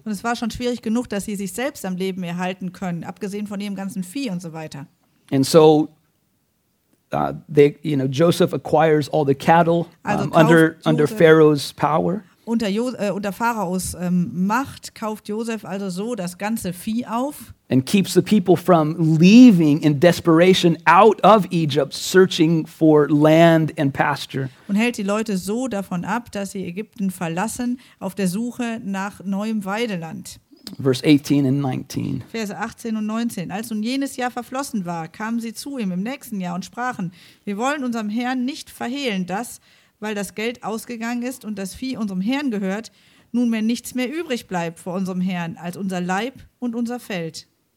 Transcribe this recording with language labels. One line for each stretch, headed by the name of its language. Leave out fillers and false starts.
German: Und es war schon schwierig genug, dass sie sich selbst am Leben erhalten können, abgesehen von ihrem ganzen Vieh und so weiter.
English: And so Joseph acquires all the cattle under Pharaoh's power.
German: Unter Pharaos Macht kauft Josef also so das ganze Vieh auf.
English: And keeps the people from leaving in desperation out of Egypt, searching for land and pasture.
German: Und hält die Leute so davon ab, dass sie Ägypten verlassen auf der Suche nach neuem Weideland.
English: Verse 18 and 19.
German: Verse 18 und 19. Als nun jenes Jahr verflossen war, kamen sie zu ihm im nächsten Jahr und sprachen: Wir wollen unserem Herrn nicht verhehlen, dass, weil das Geld ausgegangen ist und das Vieh unserem Herrn gehört, nunmehr nichts mehr übrig bleibt vor unserem Herrn als unser Leib und unser Feld.